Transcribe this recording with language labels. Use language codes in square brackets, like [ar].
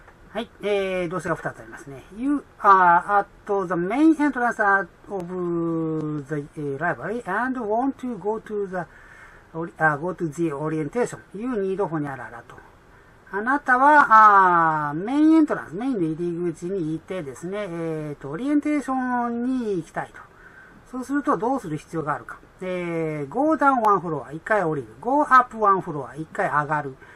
[ja] はい、動詞が2つありますね。 [en] You are at the main entrance of the library and want to go to the orientation. You need ほにゃららと。 [ja] あなたは、メインエントランス、メインの入り口に行ってですね、オリエンテーションに行きたいと。そうするとどうする必要があるか。 [en] go down one floor, [ja] 一回降りる。 [en] go up one floor, [ja] 一回上がる。